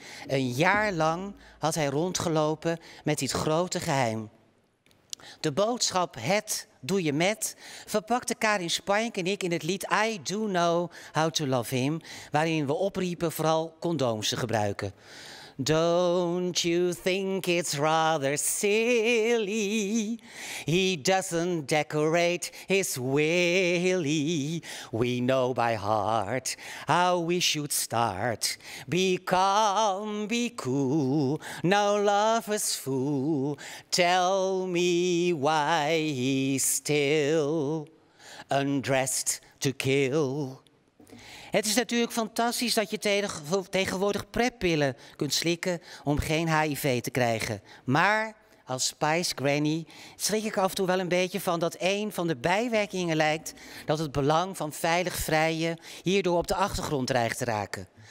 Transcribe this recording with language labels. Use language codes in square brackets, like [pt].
[nl] Een jaar lang had hij rondgelopen met dit grote geheim. De boodschap Het doe je met verpakte Karin Spank en ik in het lied I do know how to love him, waarin we opriepen vooral condooms te gebruiken. [en] Don't you think it's rather silly? He doesn't decorate his willy. We know by heart how we should start. Be calm, be cool, no lover's fool. Tell me why he's still undressed to kill. [nl] Het is natuurlijk fantastisch dat je tegenwoordig preppillen kunt slikken om geen HIV te krijgen. Maar als Spice Granny schrik ik af en toe wel een beetje van dat een van de bijwerkingen lijkt dat het belang van veilig vrijen hierdoor op de achtergrond dreigt te raken.